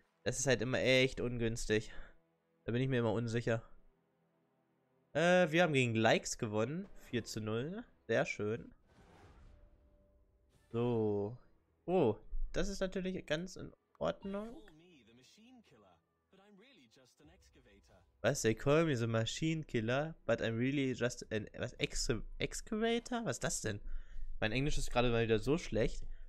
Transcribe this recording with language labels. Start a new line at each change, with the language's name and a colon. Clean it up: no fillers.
German: Das ist halt immer echt ungünstig. Da bin ich mir immer unsicher. Wir haben gegen Likes gewonnen. 4 zu 0. Sehr schön. So. Oh, das ist natürlich ganz in Ordnung. Was?
English: They call me the Machine Killer, but I'm really just an.
German: Was? Excavator? Was ist das denn? Mein Englisch ist gerade mal wieder so schlecht.